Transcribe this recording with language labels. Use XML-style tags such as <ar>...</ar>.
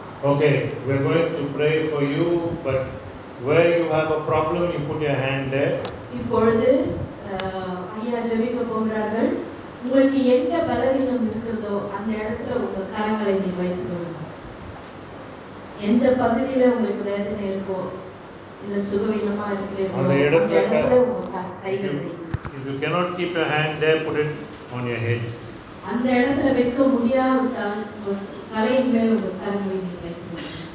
<en>Okay, we are going to pray for you, but where you have a problem, you put your hand there.</en> <ta>இப்பொழுது ஐயா ஜெபிக்க போகிறார்கள். உங்களுக்கு எங்க பலவீனம் இருக்குதோ அந்த இடத்துல உங்க கரங்களை நீ வைத்துக் கொள்ளுங்க. எந்த பகுதியில உங்களுக்கு வேதனை இருக்கோ இல்ல சுகவீனமா இருக்கிறீர்களோ அந்த இடத்துல உங்க கைகளை.</ta> <en>If you cannot keep your hand there, put it on your head.</en> <ta>அந்த இடத்துல வைக்க முடியாவிட்டால் தலையின் மேல் உங்க கரங்களை நீ வைத்துக் கொள்ளுங்க.</ta>